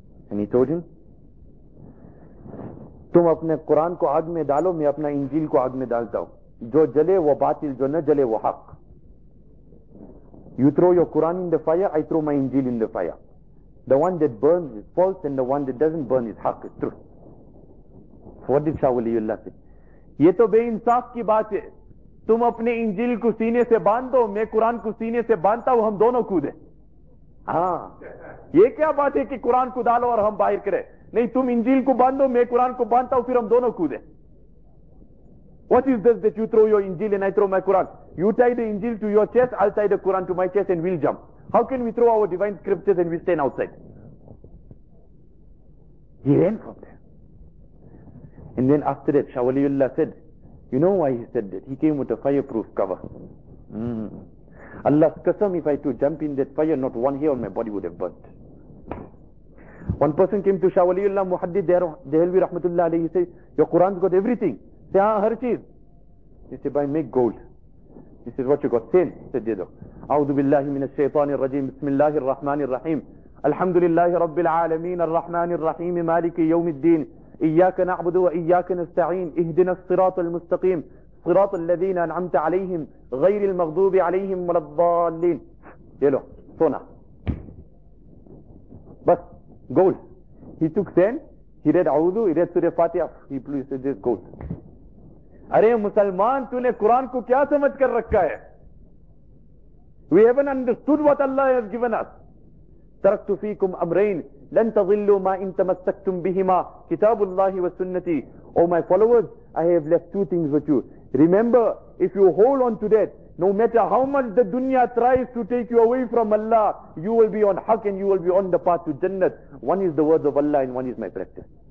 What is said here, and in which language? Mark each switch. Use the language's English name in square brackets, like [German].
[English] And he told him, [Urdu] تم اپنے قرآن کو آگ میں ڈالو, میں اپنا انجیل کو آگ میں ڈالتا ہوں. جو جلے وہ باطل, جو نہ جلے وہ حق. [English] You throw your Quran in the fire, I throw my Injil in the fire. The one that burns is false and the one that doesn't burn is حق, is truth. What did Shah Waliullah say? [Urdu] یہ تو بے انصاف کی بات ہے. تم اپنے انجیل کو سینے سے باندھو, میں قرآن کو سینے سے باندھتا ہوں, ہم دونوں کودیں. ہاں, یہ کیا بات ہے کہ قرآن کو ڈالو اور ہم باہر کریں. نہیں, تم انجیل کو باندھو, میں قرآن کو باندھتا ہوں, پھر ہم دونوں کودیں. [English] What is this that you throw your Injil and I throw my Quran? You tie the Injil to your chest, I'll tie the Quran to my chest and we'll jump. How can we throw our divine scriptures and we stand outside? He ran from there. And then after that, Shah Waliullah said, you know why he said that? He came with a fireproof cover. Allah's qasam, if I to jump in that fire, not one hair on my body would have burnt. One person came to Shah Waliullah Muhaddid Dehelvi Rahmatullah Alayhi. He said, your Quran's got everything. He said, [Urdu] har cheez. [English] He said, bhai, make gold. He said, what you got? Same. He said, dedo. [Arabic] A'udhu billahi minash shaitanir rajim. Bismillahir rahmanir rahim. Alhamdulillahi rabbil alameen. Arrahmanir rahim. Maliki yawmiddin. إياك نعبد وإياك نستعين اهدنا الصراط المستقيم صراط الذين أنعمت عليهم غير المغضوب عليهم ولا الضالين. يلو صنع بس goal. [English] He took 10, he read عوذو, he read سورة فاتحة, he blew, he said this goal. [Urdu] أرے مسلمان, تُو نے قرآن کو کیا سمجھ کر رکھا ہے؟ [English] We haven't understood what Allah has given us. [Arabic] تركت فيكم أمرين لن تضلوا ما إن تمسكتم بهما كتاب الله وسنتي. [English] Oh my followers, I have left two things with you. Remember, if you hold on to that, no matter how much the dunya tries to take you away from Allah, you will be on haq and you will be on the path to Jannat. One is the words of Allah and one is my practice.